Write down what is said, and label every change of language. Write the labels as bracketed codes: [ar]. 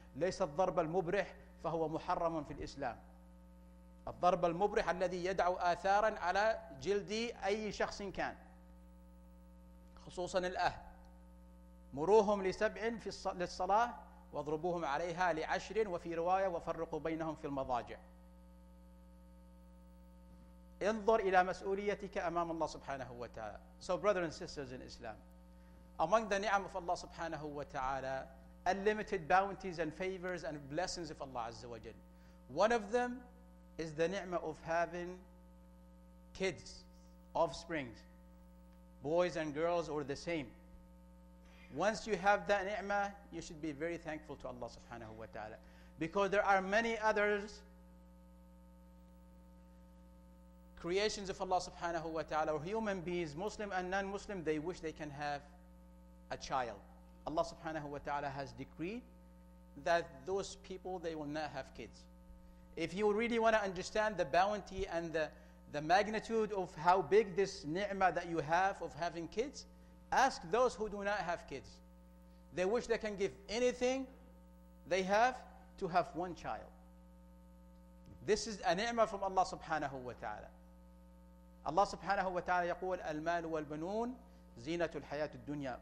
[ar] ليس الضرب المبرح فهو محرم في الإسلام. الضرب المبرح الذي يدعو آثاراً على جلد أي شخص كان، خصوصاً الأهل. مروهم 7 للصلاة واضربوهم عليها 10، وفي رواية: وفرقوا بينهم في المضاجع. انظر إلى مسؤوليتك أمام الله سبحانه وتعالى. [en] So brothers and sisters in Islam, among the ni'am of Allah subhanahu wa ta'ala, unlimited bounties and favors and blessings of Allah azza wa jal, one of them is the ni'mah of having kids, offspring, boys and girls or the same. Once you have that ni'mah, you should be very thankful to Allah subhanahu wa ta'ala, because there are many others, creations of Allah subhanahu wa ta'ala, or human beings, Muslim and non-Muslim, they wish they can have a child. Allah subhanahu wa ta'ala has decreed that those people, they will not have kids. If you really want to understand the bounty and the magnitude of how big this ni'mah that you have of having kids, ask those who do not have kids. They wish they can give anything they have to have one child. This is a ni'mah from Allah subhanahu wa ta'ala. [ar] Allah subhanahu wa ta'ala يقول: المال والبنون زينة الحياة الدنيا.